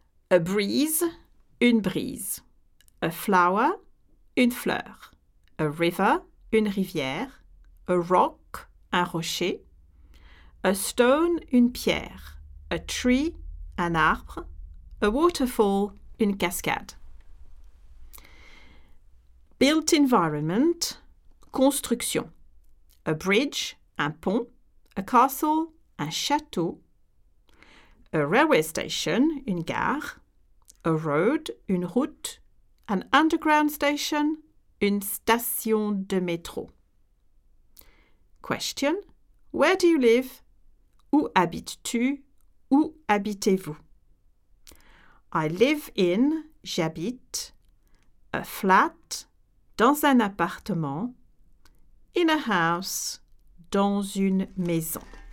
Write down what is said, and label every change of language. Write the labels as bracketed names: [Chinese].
[English] A breeze, [French] une brise. [English] A flower, [French] une fleur. [English] A river, [French] une rivière. [English] A rock, [French] un rocher. [English] A stone, [French] une pierre. [English] A tree, [French] un arbre. [English] A waterfall, [French] une cascade. [English] Built environment, construction. A bridge, [French] un pont. [English] A castle, [French] un château. [English] A railway station, [French] une gare. [English] A road, [French] une route. [English] An underground station, [French] une station de métro. [English] Question, where do you live? [French] Où habites-tu? Où habitez-vous? [English] I live in, j'habite, a flat, [French] dans un appartement, [English] in a house, [French] dans une maison.